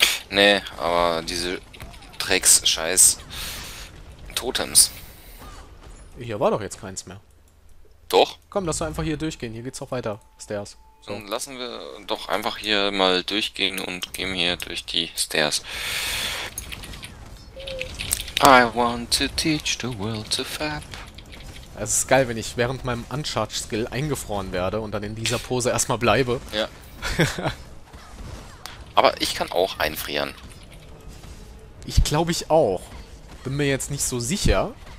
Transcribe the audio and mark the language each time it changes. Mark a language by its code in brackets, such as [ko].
[de] Nee, aber diese Drecks-Scheiß-Totems. Hier war doch jetzt keins mehr. Doch. Komm, lass doch einfach hier durchgehen. Hier geht's auch weiter. Stairs. So. Dann lassen wir doch einfach hier mal durchgehen und gehen hier durch die Stairs. [en] I want to teach the world to fap. [de] Es ist geil, wenn ich während meinem Uncharged-Skill eingefroren werde und dann in dieser Pose erstmal bleibe. Ja. Aber ich kann auch einfrieren. Ich glaube ich auch. Bin mir jetzt nicht so sicher.